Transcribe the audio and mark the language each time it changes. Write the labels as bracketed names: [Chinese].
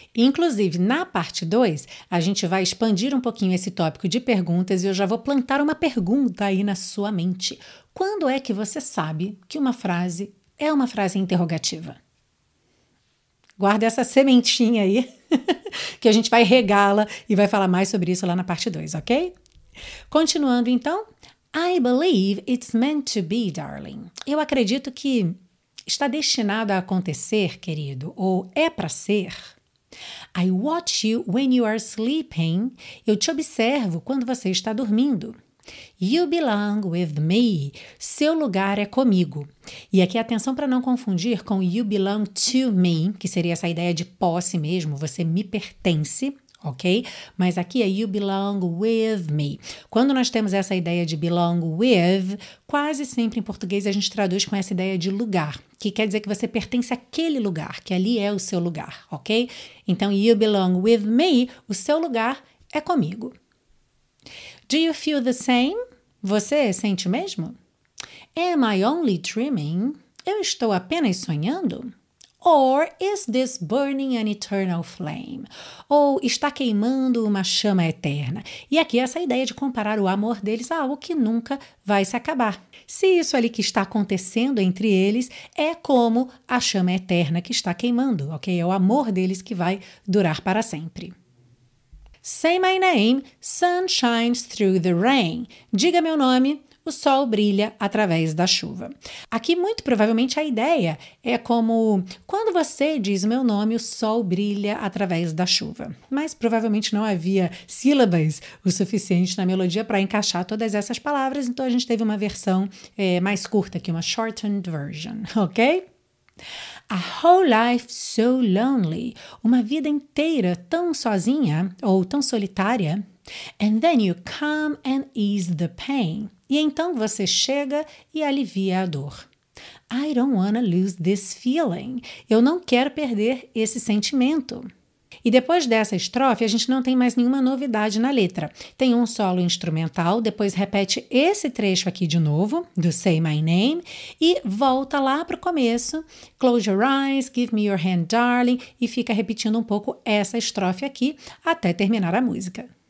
[Portuguese] Inclusive, na parte 2, a gente vai expandir um pouquinho esse tópico de perguntas e eu já vou plantar uma pergunta aí na sua mente. Quando é que você sabe que uma frase é uma frase interrogativa? Guarda essa sementinha aí que a gente vai regá-la e vai falar mais sobre isso lá na parte 2, ok? Continuando então, [English] I believe it's meant to be, darling. [Portuguese] Eu acredito que está destinado a acontecer, querido, ou é para ser. [English] I watch you when you are sleeping. [Portuguese] Eu te observo quando você está dormindo. [English] You belong with me. [Portuguese] Seu lugar é comigo. E aqui, atenção para não confundir com [English] you belong to me, [Portuguese] que seria essa ideia de posse mesmo, você me pertence. Ok? Mas aqui é [English] you belong with me. [Portuguese] Quando nós temos essa ideia de [English] belong with, [Portuguese] quase sempre em português a gente traduz com essa ideia de lugar, que quer dizer que você pertence àquele lugar, que ali é o seu lugar, ok? Então, [English] you belong with me, [Portuguese] o seu lugar é comigo. [English] Do you feel the same? [Portuguese] Você sente o mesmo? [English] Am I only dreaming? [Portuguese] Eu estou apenas sonhando? [English] Or is this burning an eternal flame? [Portuguese] Ou está queimando uma chama eterna? E aqui essa ideia de comparar o amor deles a algo que nunca vai se acabar. Se isso ali que está acontecendo entre eles é como a chama eterna que está queimando, ok? É o amor deles que vai durar para sempre. [English] Say my name, sun shines through the rain. [Portuguese] Diga meu nome, o sol brilha através da chuva. Aqui, muito provavelmente, a ideia é como quando você diz meu nome, o sol brilha através da chuva. Mas provavelmente não havia sílabas o suficiente na melodia para encaixar todas essas palavras, então a gente teve uma versão mais curta aqui, uma [English] shortened version, [Portuguese] ok? [English] A whole life so lonely. [Portuguese] Uma vida inteira tão sozinha ou tão solitária. [English] And then you come and ease the pain. [Portuguese] E então você chega e alivia a dor. [English] I don't wanna lose this feeling. [Portuguese] Eu não quero perder esse sentimento. E depois dessa estrofe, a gente não tem mais nenhuma novidade na letra. Tem um solo instrumental, depois repete esse trecho aqui de novo, do Say My Name, e volta lá para o começo, Close Your Eyes, Give Me Your Hand, Darling, e fica repetindo um pouco essa estrofe aqui, até terminar a música.